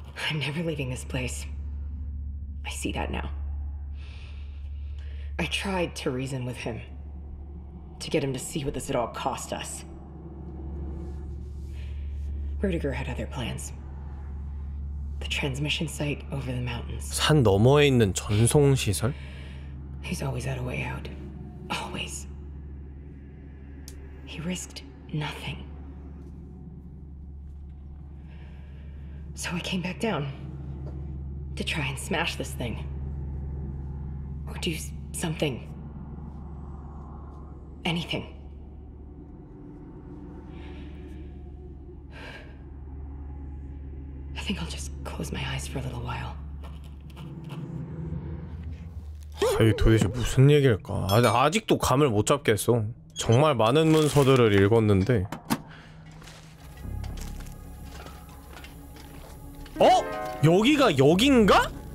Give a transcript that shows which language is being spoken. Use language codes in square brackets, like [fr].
[en] I'm never leaving this place. I see that now. I tried to reason with him. To get him to see what this had all cost us. Rüdiger had other plans. The transmission site over the mountains. [ko] 산 너머에 있는 전송 시설? [en] He's always had a way out. Always. He risked nothing. So I came back down. To try and smash this thing. Or do something. Anything. I think I'll just close my eyes for a little while. [ko] 이게 도대체 무슨 얘기일까? 아직도 감을 못 잡겠어. 정말 많은 문서들을 읽었는데. 어? 여기가 여긴가?